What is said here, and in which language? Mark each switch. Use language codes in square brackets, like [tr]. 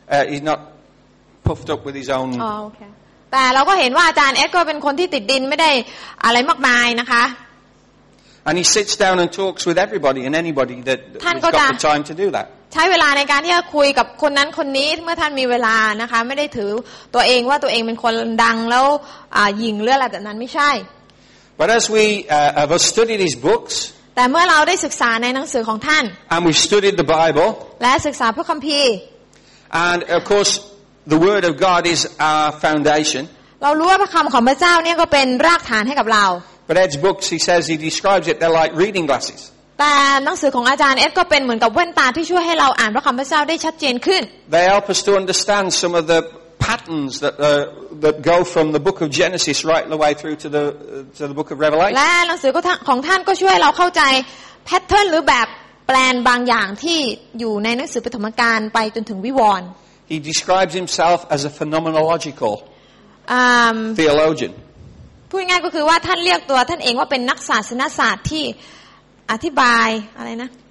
[en] He's not puffed up with his own. Oh, okay. [th] แต่เราก็เห็นว่าอาจารย์เอ็ดก็เป็นคนที่ติดดินไม่ได้อะไรมากมายนะคะ [en] And he sits down and talks with everybody and anybody that has got the time to do that. [th] ใช้เวลาในการที่จะคุยกับคนนั้นคนนี้เมื่อท่านมีเวลานะคะไม่ได้ถือตัวเองว่าตัวเองเป็นคนดังแล้วหยิ่งเรื่องอะไรแบบนั้นไม่ใช่ [en] But as we have studied his books, [th] แต่เมื่อเราได้ศึกษาในหนังสือของท่าน [en] and we studied the Bible, [th] และศึกษาพระคัมภีร์ [en] and of course the Word of God is our foundation. [th] เรารู้ว่าพระคำของพระเจ้าเนี่ยก็เป็นรากฐานให้กับเรา [en] But Ed's books, he says, he describes it, they're like reading glasses. [th] แต่หนังสือของอาจารย์เอ็ดก็เป็นเหมือนกับแว่นตาที่ช่วยให้เราอ่านพระคำพระเจ้าได้ชัดเจนขึ้น [en] They help us to understand some of the patterns that go from the book of Genesis right the way through to the book of Revelation. [th] และหนังสือของท่านก็ช่วยเราเข้าใจแพทเทิร์นหรือแบบแปลนบางอย่างที่อยู่ในหนังสือปฐมกาลไปจนถึงวิวรณ์ [en] He describes himself as a phenomenological theologian. [th] พูดง่ายก็คือว่าท่านเรียกตัวท่านเองว่าเป็นนักศาสนศาสตร์ที่อธิบายอะไรนะ